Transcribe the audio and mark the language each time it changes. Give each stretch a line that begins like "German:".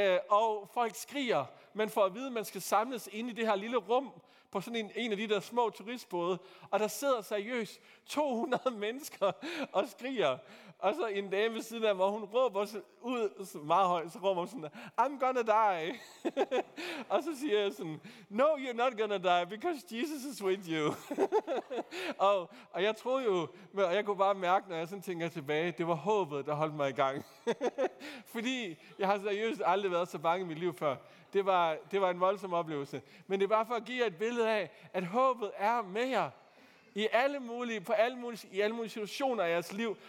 Danish: Og folk skriger. Man får at vide, at man skal samles ind i det her lille rum på sådan en af de der små turistbåde. Og der sidder seriøst 200 mennesker og skriger. Og så en dame ved siden af mig, hun råber ud meget højt, så råber hun sådan,
English: I'm gonna die.
Danish: Og så siger jeg sådan,
English: no, you're not gonna die, because Jesus is with you.
Danish: og jeg troede jo, og jeg kunne bare mærke, når jeg sådan tænker tilbage, det var håbet, der holdt mig i gang. Fordi jeg har seriøst aldrig været så bange i mit liv før. Det var en voldsom oplevelse. Men det er bare for at give jer et billede af, at håbet er med jer. I alle mulige situationer i jeres liv.